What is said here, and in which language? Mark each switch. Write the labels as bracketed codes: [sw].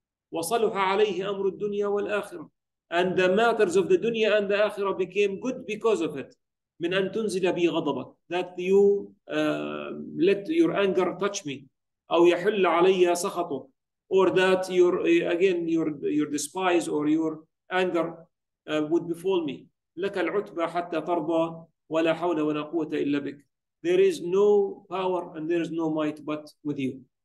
[ar] Wa saluha alayhi amru al-dunya wal-akhirah. [en] And the matters of the dunya and the akhirah became good because of it. [ar] من أن تنزل بي غضبك. [en] That you let your anger touch me [ar] أو يحل علي سخطك. [en] Or that your again your despise or your anger would befall me. [ar] لك العتبة حتى ترضى ولا حول ولا قوة إلا بك. [en] There is no power and there is no might but with you.